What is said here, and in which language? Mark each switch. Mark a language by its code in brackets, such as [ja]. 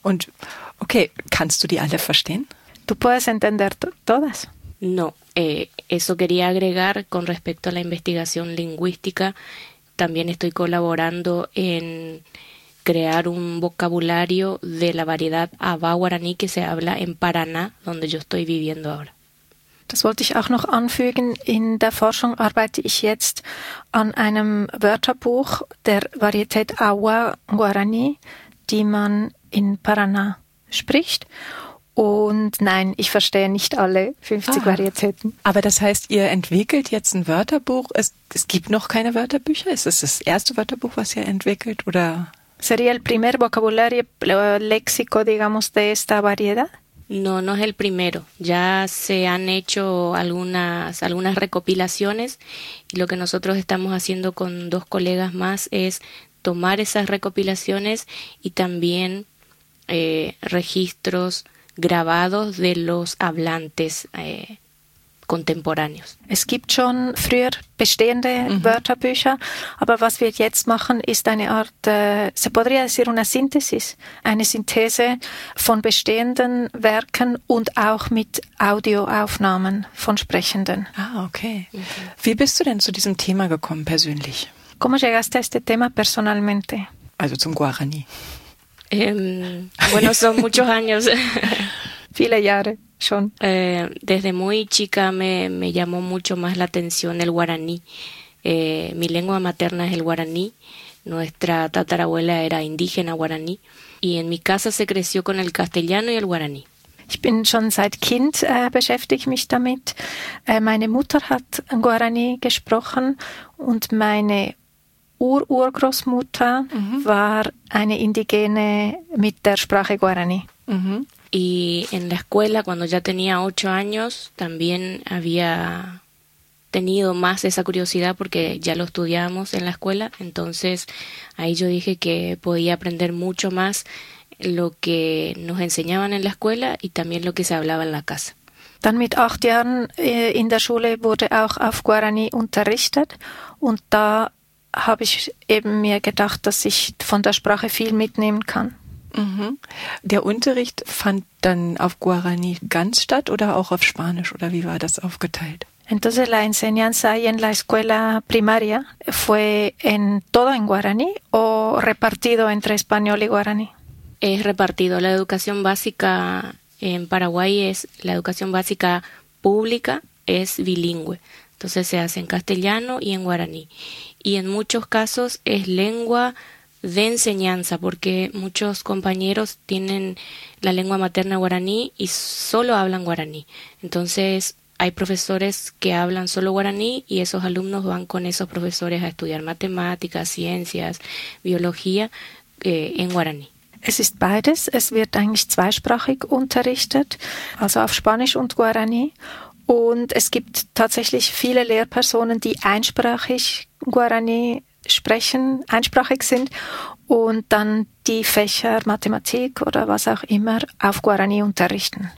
[de] Und okay, kannst du die alle verstehen? [es] Tú puedes entender todas. No, eso quería agregar con respecto a la investigación lingüística. También estoy colaborando en crear un vocabulario de la variedad Aba Guaraní que se habla en Paraná, donde yo estoy viviendo ahora. [de] Das wollte ich auch noch anfügen. In der Forschung arbeite ich jetzt an einem Wörterbuch der Varietät Aba Guaraní, die man in Paraná spricht. Und nein, ich verstehe nicht alle 50 Varietäten. Aber das heißt, ihr entwickelt jetzt ein Wörterbuch. Es gibt noch keine Wörterbücher? Ist es das erste Wörterbuch, was ihr entwickelt? Oder? [es] ¿Sería el primer vocabulario léxico, digamos, de esta variedad? No, no es el primero. Ya se han hecho algunas recopilaciones y lo que nosotros estamos haciendo con dos colegas más es tomar esas recopilaciones y también registros grabados de los hablantes contemporáneos. [de] Es gibt schon früher bestehende Wörterbücher, aber was wir jetzt machen, ist eine Art, [es] se podría decir una síntesis, [de] eine Synthese von bestehenden Werken und auch mit Audioaufnahmen von Sprechenden. Ah, okay. Wie bist du denn zu diesem Thema gekommen, persönlich? [es] ¿Cómo llegaste a este tema personalmente? [de] Also zum Guarani. [es] Bueno, son muchos años. [de] Viele Jahre schon. [es] Desde muy chica me llamó mucho más la atención el guaraní. Mi lengua materna es el guaraní. Nuestra tatarabuela era indígena guaraní. Y en mi casa se creció con el castellano y el guaraní. [de] Ich bin schon seit Kind beschäftige mich damit. Meine Mutter hat Guarani gesprochen und meine Ur-Urgroßmutter war eine Indigene mit der Sprache Guarani. [es] Y en la escuela, cuando ya tenía 8 años, también había tenido más esa curiosidad porque ya lo estudiábamos en la escuela. Entonces, ahí yo dije que podía aprender mucho más lo que nos enseñaban en la escuela y también lo que se hablaba en la casa. [de] Dann mit 8 Jahren in der Schule wurde auch auf Guarani unterrichtet und da habe ich eben mir gedacht, dass ich von der Sprache viel mitnehmen kann. Der Unterricht fand dann auf Guarani ganz statt oder auch auf Spanisch oder wie war das aufgeteilt? [es] Entonces la enseñanza ahí en la escuela primaria fue en todo en Guarani o repartido entre español y Guarani? Es repartido. La educación básica en Paraguay es la educación básica pública es bilingüe. Entonces se hace en castellano y en guaraní. Y en muchos casos es lengua de enseñanza, porque muchos compañeros tienen la lengua materna guaraní y solo hablan guaraní. Entonces hay profesores que hablan solo guaraní y esos alumnos van con esos profesores a estudiar matemáticas, ciencias, biología en guaraní. [de] Es ist beides. Es wird eigentlich zweisprachig unterrichtet, also auf Spanisch und Guarani. Und es gibt tatsächlich viele Lehrpersonen, die einsprachig Guarani sprechen, einsprachig sind und dann die Fächer Mathematik oder was auch immer auf Guarani unterrichten.